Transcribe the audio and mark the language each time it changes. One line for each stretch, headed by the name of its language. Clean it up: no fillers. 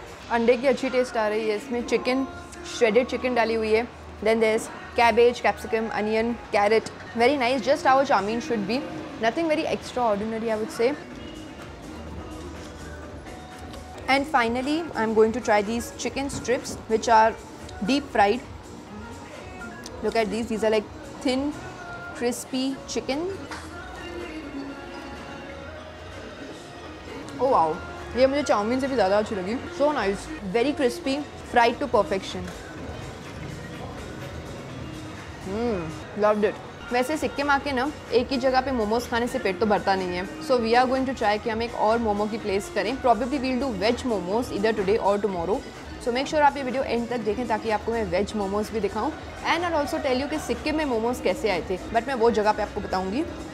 Hindi: अंडे की अच्छी टेस्ट आ रही है इसमें। चिकन, श्रेडेड चिकन डाली हुई है।
English: Then there is cabbage, capsicum, onion, carrot. Very nice, just how chow mein should be. Nothing very extraordinary I would say. And finally, I'm going to try these chicken strips, which are deep fried. Look at these. These are like thin, crispy chicken. Oh wow!
Hindi: ये मुझे chowmein से भी ज़्यादा अच्छी लगी.
English: So nice. Very crispy, fried to perfection. Loved it.
Hindi: वैसे सिक्किम आके ना एक ही जगह पे मोमोज खाने से पेट तो भरता नहीं है।
English: so we are going to try
Hindi: कि हम एक और मोमो की प्लेस करें।
English: Probably we'll do veg momos इधर today और tomorrow. So make sure
Hindi: आप ये वीडियो एंड तक देखें ताकि आपको मैं वेज मोमोज भी दिखाऊं।
English: and I also tell you
Hindi: कि सिक्किम में मोमोज कैसे आए थे, बट मैं वो जगह पर आपको बताऊँगी।